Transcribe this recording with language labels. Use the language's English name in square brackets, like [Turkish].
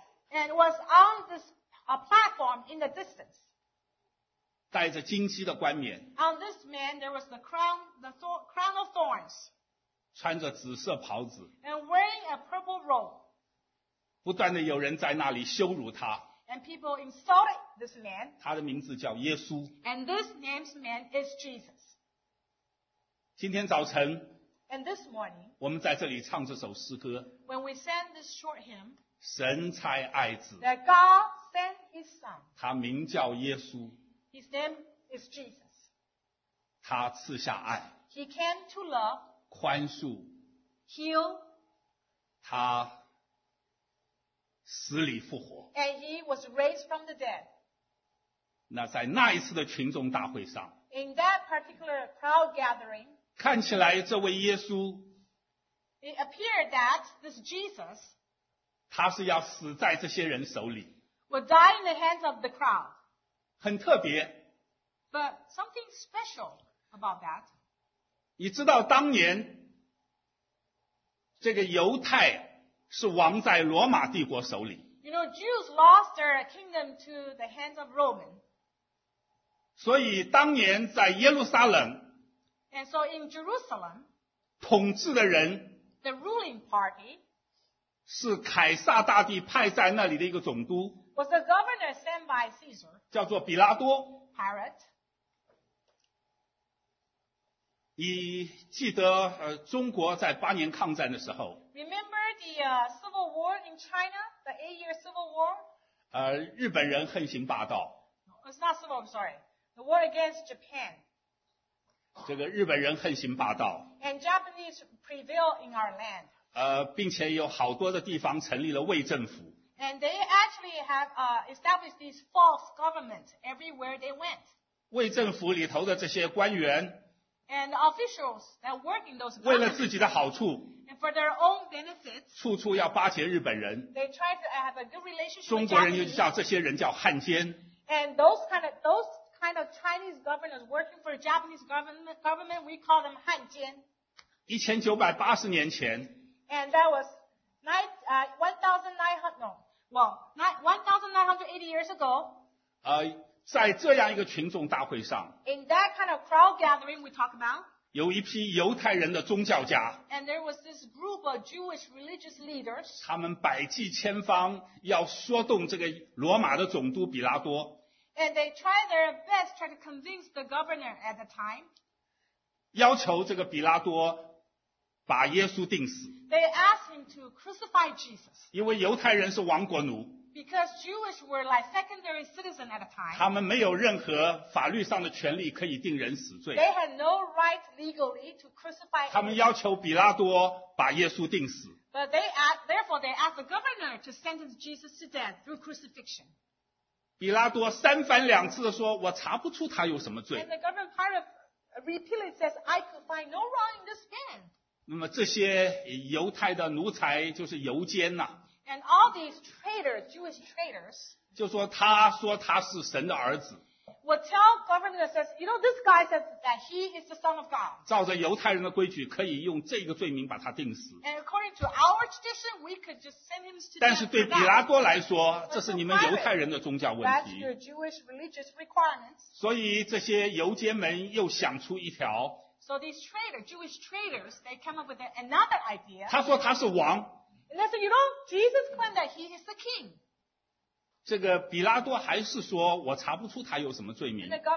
[English] and was on this a platform in the distance [Chinese] 带着荆棘的冠冕 [English] on this man there was the crown of thorns [Chinese] 穿着紫色袍子 [English] and wearing a purple robe [Chinese] 不断的有人在那里羞辱他 [English] and people insulted this man [Chinese] 他的名字叫耶稣 [English] and this name's man is Jesus [Chinese] 今天早晨 [English] And this morning, [Chinese] 我们在这里唱这首诗歌 [English] When we sang this short hymn, [Chinese] 神差爱子 [English] that God sent his son, [Chinese] 他名叫耶稣 [English] His name is Jesus. [Chinese] 他赐下爱 [English] He came to love, [Chinese] 宽恕 [English] heal, [Chinese] 他死里复活 [English] and he was raised from the dead. [Chinese] 那在那一次的群众大会上 [English] In that particular crowd gathering, [Chinese] 看起来这位耶稣 [English] It appeared that this Jesus [Chinese] 他是要死在这些人手里 [English] would die in the hands of the crowd [Chinese] 很特别 [English] but something special about that [Chinese] 你知道当年这个犹太是亡在罗马帝国手里 [English] you know Jews lost their kingdom to the hands of Roman [Chinese] 所以当年在耶路撒冷 [English] And so in Jerusalem, [Chinese] 统治的人 [English] the ruling party, [Chinese] 是凯撒大帝派在那里的一个总督 [English] was the governor sent by Caesar, [Chinese] 叫做比拉多 [English] Herod. [Chinese] 你记得中国在八年抗战的时候 [English] Remember the civil war in China, the eight-year civil war? [Chinese] 日本人横行霸道 [English] It's not civil, I'm sorry. The war against Japan. [Chinese] 这个日本人横行霸道 [English] and Japanese prevail in our land [Chinese] 并且有好多的地方成立了伪政府 [English] and they actually have established these false governments everywhere they went [Chinese] 伪政府里头的这些官员 [English] and officials that work in those governments [Chinese] 为了自己的好处 [English] and for their own benefits [Chinese] 处处要巴结日本人 [English] they try to have a good relationship with [Chinese] 中国人就叫这些人叫汉奸 [English] and those kind of Chinese governors working for a Japanese government, we call them 汉奸 [Chinese] 1980年前 [English] and that was 1980 years ago [Chinese] 在这样一个群众大会上 [English] in that kind of crowd gathering we talk about [Chinese] 有一批犹太人的宗教家 [English] and there was this group of Jewish religious leaders [Chinese] 他们百计千方要说动这个罗马的总督比拉多 [English] And they tried their best to convince the governor at the time. [Chinese] 要求这个比拉多把耶稣钉死。 [English] They asked him to crucify Jesus. [Chinese] 因为犹太人是亡国奴。 [English] Because Jewish were like secondary citizens at the time. [Chinese] 他们没有任何法律上的权利可以定人死罪。 [English] They had no right legally to crucify him. [Chinese] 他们要求比拉多把耶稣钉死。 [English] But they asked, therefore they asked the governor to sentence Jesus to death through crucifixion. [Chinese] 比拉多三番两次的说我查不出他有什么罪 [English] and the governor kind of repeatedly says I could find no wrong in this man [Chinese] 那么这些犹太的奴才就是犹奸、啊、 [English] and all these traitors Jewish traitors [Chinese] 就说他是神的儿子 [English] will tell government says, you know, this guy says that he is the son of God. [Chinese] 照着犹太人的规矩，可以用这个罪名把他定死。 [English] And according to our tradition, we could just send him to death. [Chinese] 但是对比拉多来说，这是你们犹太人的宗教问题。 [English] That's your Jewish religious requirements. [Chinese] 所以这些犹太们又想出一条。 [English] So these traders, Jewish traders, they come up with another idea. [Chinese] 他说他是王。 [English] And they say, you know, Jesus claimed that he is the king. [Chinese] 这个比拉多还是说我查不出他有什么罪名。